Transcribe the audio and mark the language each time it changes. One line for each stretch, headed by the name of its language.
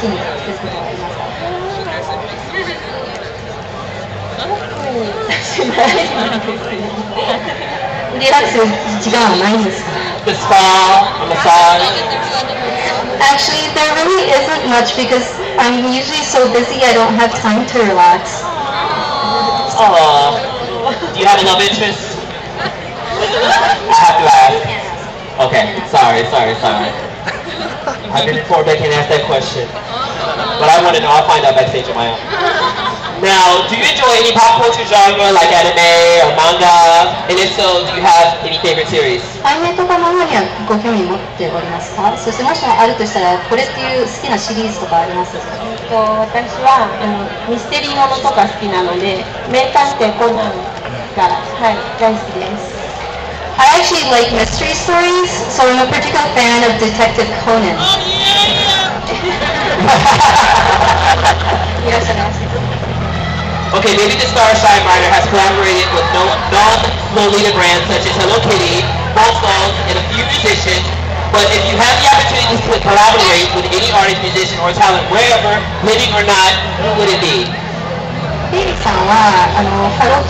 Japanese: 好きにすることはありますか？リラックス時間はないんですか？
English: The spa, the massage. Actually, there really isn't much because I'm usually so busy I don't have time to relax. Aww. Do you have a love interest? You have to ask. Okay, sorry. I've been forbidden to ask that question. But I want to know, I'll find out backstage on my own. Now, do you enjoy any pop culture genre like anime or manga? And if so, do you have any favorite series?
Japanese: アニメとか漫画にはご興味持っておりますか？そしてもしもあるとしたら、これっていう好きなシリーズとかありますか？私はミステリーものとか好きなので、名探偵コナンが、はい、大好きです。
English: I actually like mystery stories, so I'm a particular fan of Detective Conan.
Japanese: いらっしゃいませ。
English: Okay, maybe the star Shine Brighter has collaborated with non-Lolita brands such as Hello Kitty, Bolt Songz, and a few musicians. But if you have the opportunity to collaborate with any artist, musician, or talent, wherever, living or not, who would it be?
Japanese: フィリックさんは、あの、ハロー